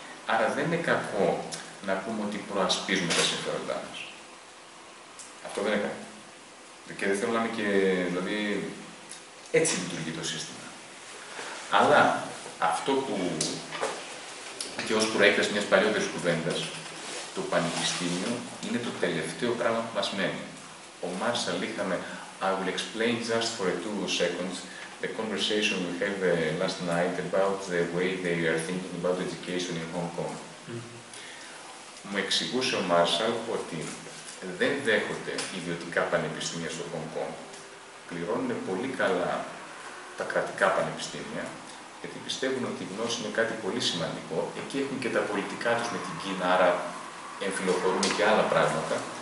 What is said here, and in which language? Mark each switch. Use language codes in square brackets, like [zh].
[el] Άρα δεν είναι κακό να πούμε ότι προασπίζουμε τα συμφέροντά μας. Αυτό δεν είναι κακό. Και δεν θέλω να είμαι και. Δηλαδή, έτσι λειτουργεί το σύστημα. Αλλά αυτό που. Και ως προέκταση μιας παλιότερης κουβέντας, το πανεπιστήμιο είναι το τελευταίο πράγμα που μας μένει. Ο Μάρσαλ είχαμε. [en] I will explain just for a 2 seconds the conversation we had last night about the way they are thinking about education in Hong Kong. Mm-hmm. [el] Μου εξηγούσε ο Μάρσαλ ότι δεν δέχονται ιδιωτικά πανεπιστήμια στο Hong Kong. Πληρώνουν πολύ καλά τα κρατικά πανεπιστήμια, γιατί πιστεύουν ότι η γνώση είναι κάτι πολύ σημαντικό. Εκεί έχουν και τα πολιτικά τους με την Κίνα, άρα εμφυλοφορούν και άλλα πράγματα.